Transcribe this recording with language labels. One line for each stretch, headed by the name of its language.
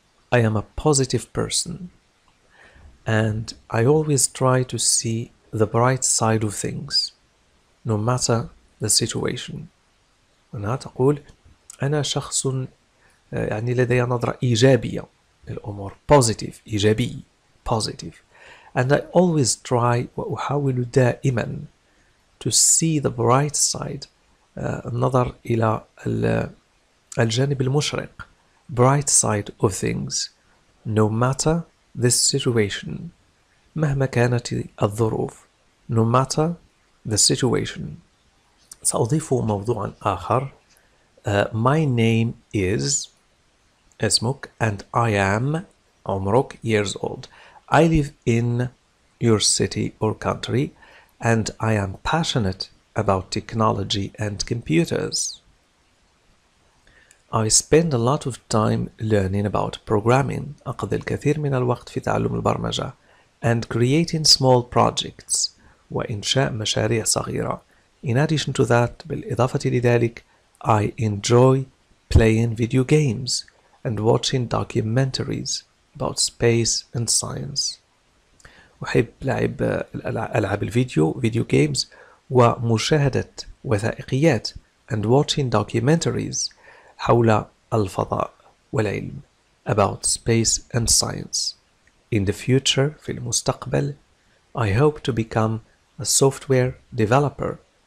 English: I am a positive person and I always try to see the bright side of things no matter the situation.
Arabic: أنها تقول أنا شخص يعني لدي نظرة إيجابية للأمور
English: positive إيجابي positive and I always try
Arabic: وأحاول دائما
English: to see the bright side
Arabic: النظر إلى الجانب المشرق
English: bright side of things no matter the situation
Arabic: مهما كانت الظروف
English: no matter the situation.
Arabic: سأضيف موضوعا آخر.
English: My name is اسمك and I am عمرك years old. I live in your city or country and I am passionate about technology and computers. I spend a lot of time learning about programming.
Arabic: أقضي الكثير من الوقت في تعلم البرمجة
English: and creating small projects
Arabic: وإنشاء مشاريع صغيرة.
English: In addition to that,
Arabic: بالإضافة لذلك,
English: I enjoy playing video games and watching documentaries about space and science.
Arabic: أحب لعب ألعاب الفيديو,
English: video games,
Arabic: ومشاهدة وثائقيات
English: and watching documentaries
Arabic: حول الفضاء والعلم
English: about space and science. In the future,
Arabic: في المستقبل,
English: I hope to become a software developer.